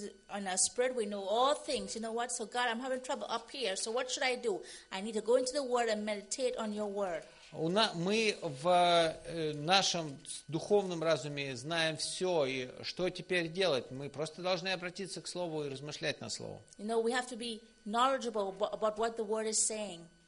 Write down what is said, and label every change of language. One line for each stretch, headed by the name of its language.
English: On our spirit, we know all things. You know what? So God, I'm having trouble up here. So what should I do? I need to go into the Word and meditate on Your Word.
Russian: Мы в нашем духовном разуме знаем все, и что теперь делать? Мы просто должны обратиться к Слову и размышлять на Слово.
English: You know, we have to be knowledgeable about what the Word is saying.